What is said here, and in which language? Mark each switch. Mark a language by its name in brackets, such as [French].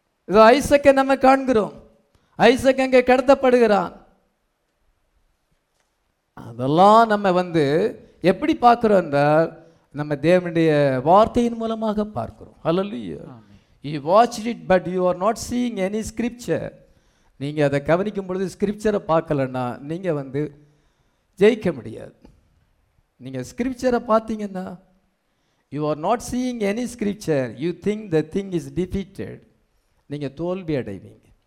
[Tamil] இதோ ஐசக்கை நம்ம காண்கிறோம். ஐசக் அங்கே கடத்தப்படுகிறான். அதெல்லாம் நம்ம வந்து எப்படி பார்க்குறோம் என்றால், நம்ம தேவனுடைய வார்த்தையின் மூலமாக பார்க்குறோம். ஹல்லேலூயா. [English] You watched it, but you are not seeing any scripture. [Tamil] நீங்க அதை கவனிக்கும் பொழுது ஸ்கிரிப்சரை பார்க்கலன்னா நீங்க வந்து ஜெயிக்க முடியாது. நீங்க ஸ்கிரிப்சரை பார்த்தீங்கன்னா, [English] you are not seeing any scripture, you think the thing is defeated. [Tamil] நீங்க தோல்வி அடைவீங்க.